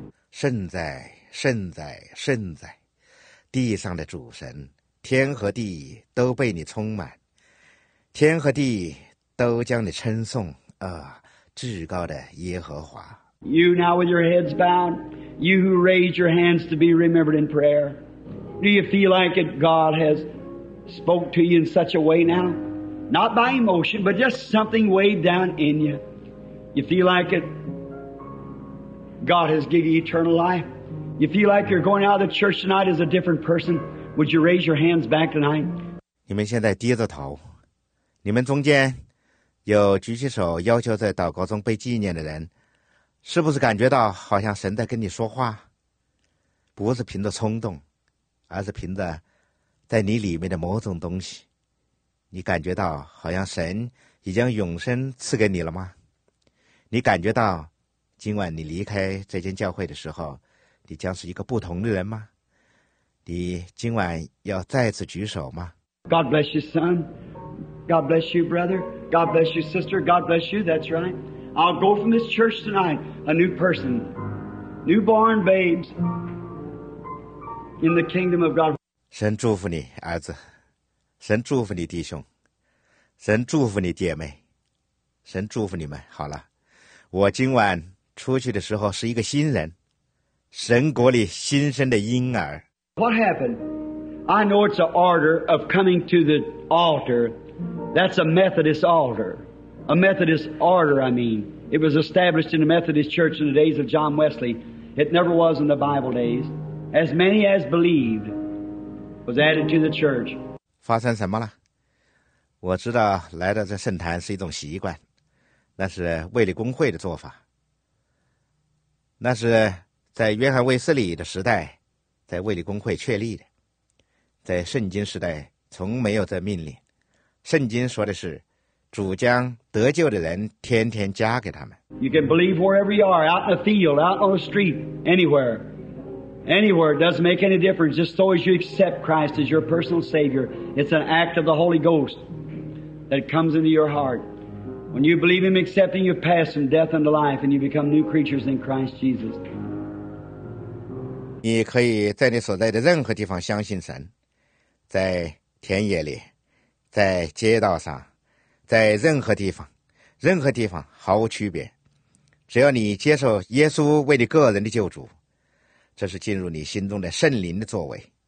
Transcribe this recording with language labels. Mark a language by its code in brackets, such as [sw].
[zh] 甚哉甚哉甚哉，地上的主神，天和地都被你充满，天和地都将你称颂，至高的耶和华。 [en] You now with your heads bowed, you who raise your hands to be remembered in prayer, do you feel like it? God has spoke to you in such a way now? Not by emotion, but just something way down in you. You feel like it? God has given you eternal life. You feel like you're going out of the church tonight as a different person. Would you raise your hands back tonight? [zh] 你们现在低着头，你们中间有举起手要求在祷告中被纪念的人，是不是感觉到好像神在跟你说话？不是凭着冲动，而是凭着在你里面的某种东西。你感觉到好像神已将永生赐给你了吗？你感觉到今晚你离开这间教会的时候，你将是一个不同的人吗？你今晚要再次举手吗？ [en] God bless you, son. God bless you, brother. God bless you, sister. God bless you. That's right. I'll go from this church tonight a new person, newborn babes in the kingdom of God. [zh] 神祝福你，儿子。神祝福你，弟兄。神祝福你，姐妹。神祝福你们。好了，我今晚出去的时候是一个新人，神国里新生的婴儿。 [en] What happened? I know it's an order of coming to the altar. That's a Methodist altar. A Methodist order, I mean. It was established in the Methodist church in the days of John Wesley. It never was in the Bible days. As many as believed was added to the church. [zh] 发生什么了？我知道来到这圣坛是一种习惯，那是卫理公会的做法。那是在约翰卫斯理的时代在卫理公会确立的，在圣经时代从没有这命令。圣经说的是主将得救的人天天加给他们。 [en] You can believe wherever you are, out in the field, out on the street, anywhere. Anywhere, it doesn't make any difference. Just so as you accept Christ as your personal Savior, it's an act of the Holy Ghost that comes into your heart. When you believe Him accepting, you pass from death into life and you become new creatures in Christ Jesus. [zh] 你可以在你所在的任何地方相信神，在田野里，在街道上，在任何地方，任何地方毫无区别。只要你接受耶稣为你个人的救主，这是进入你心中的圣灵的作为。